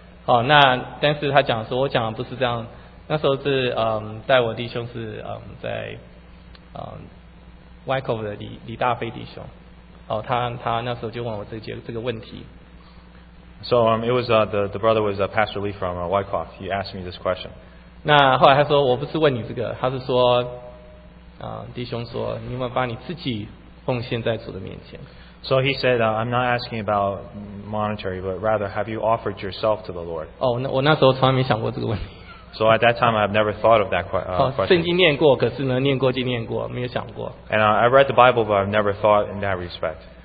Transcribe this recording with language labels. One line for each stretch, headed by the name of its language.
Chinese: 好，那但是他讲说，我讲的不是这样。那时候是带我弟兄是在 Wyckoff 的李大飞弟兄。哦，他那时候就问我这个问题。
English: So it was the brother was Pastor Lee from Wyckoff. He asked me this question.
Chinese: 那后来他说我不是问你这个，他是说，弟兄说，你有没有把你自己奉献在主的面前？
English: So he said, I'm not asking about monetary, but rather, have you offered yourself to the Lord? Oh, so at that time, I've never thought of that question. And I read the Bible, but I've never thought in that respect.